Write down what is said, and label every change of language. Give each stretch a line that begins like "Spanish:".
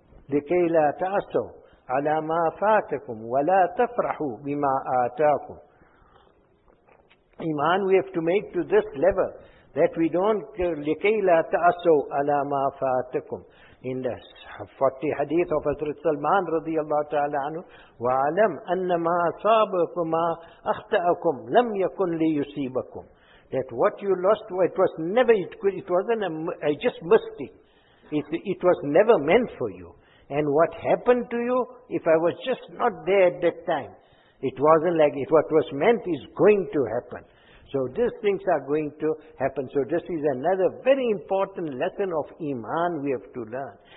Arabic: لِكَيْ لَا تَأْسَوْا عَلَى مَا فَاتَكُمْ وَلَا تَفْرَحُوا بِمَا آتَاكُمْ.
English: Iman we have to make to this level, that we don't,
Arabic: لِكَيْ لَا تَأْسَوْا عَلَى مَا فَاتَكُمْ.
English: In the 40 hadith of Hazrat Salman
Arabic: رضي الله تعالى عنه, وَعَلَمْ أَنَّ مَا صَابَكُمْ مَا أَخْتَأَكُمْ لَمْ يَكُنْ لِيُسِيبَكُمْ.
English: That what you lost, it was never, I just missed it. It was never meant for you. And what happened to you, if I was just not there at that time, it wasn't like what was meant is going to happen. So these things are going to happen. So this is another very important lesson of Iman we have to learn.